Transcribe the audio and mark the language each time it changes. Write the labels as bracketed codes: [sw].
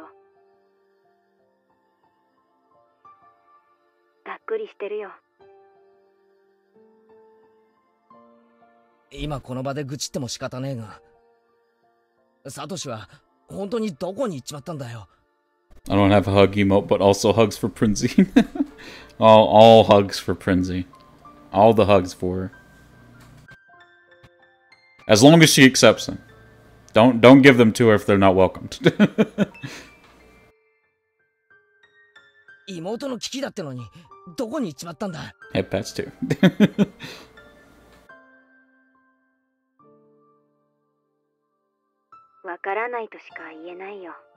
[ja] がっくりしてるよ。今この場で愚痴っても仕方ねえが。サトシは本当にどこに行っちまったんだよ。 [en] I don't have a hug emote, but also hugs for Prinzy. all hugs for Prinzy. All the hugs for her. As long as she accepts them. Don't give them to her if they're not welcomed. [ja] 妹の危機だってのにどこに行っちまったんだ。 [en] Yeah, that's too. [ja] わからないとしか言えないよ。